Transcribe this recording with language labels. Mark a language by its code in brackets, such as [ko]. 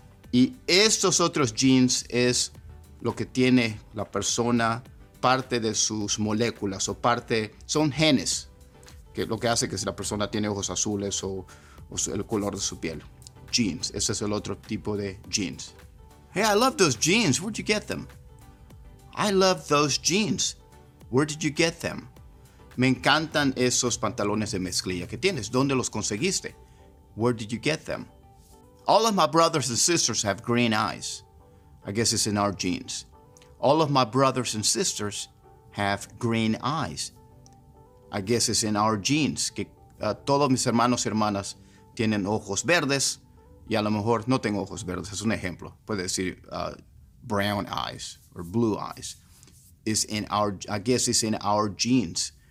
[es] Y estos otros genes es lo que tiene la persona, parte de sus moléculas o parte, son genes, que lo que hace que si la persona tiene ojos azules o el color de su piel. Genes, ese es el otro tipo de genes. [en] Hey, I love those genes. Where'd you get them? I love those jeans. Where did you get them? [es] Me encantan esos pantalones de mezclilla que tienes. ¿Dónde los conseguiste? [en] Where did you get them? All of my brothers and sisters have green eyes. I guess it's in our genes. All of my brothers and sisters have green eyes. I guess it's in our genes. [es] Que todos mis hermanos y hermanas tienen ojos verdes. Y a lo mejor no tengo ojos verdes. Es un ejemplo. Puede decir [en] brown eyes or blue eyes. Is in our, I guess it's in our genes.